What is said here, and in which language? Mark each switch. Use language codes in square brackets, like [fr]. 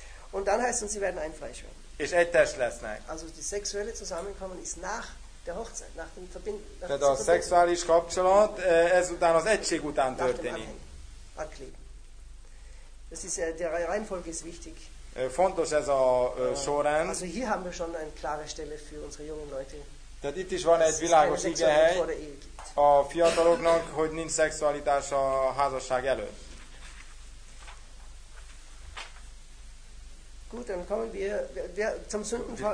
[de] Und dann heißt es, sie werden ein Fleisch werden. [hu] És egy test lesznek. [de] Also die sexuelle Zusammenkommen ist nach der Hochzeit, nach dem Verbinden. [hu] Tehát a szexuális kapcsolat ezután az egység után történik. [de] Ankleben. Das ist der Reihenfolge ist wichtig. [hu] Fontos ez a sorrend. [de] Also hier haben wir schon eine klare Stelle für unsere jungen Leute. [hu] Tehát itt is van egy világos igehely a fiataloknak, hogy nincs szexualitás a házasság előtt. [de] Gut, dann kommen wir zum Sündenfall.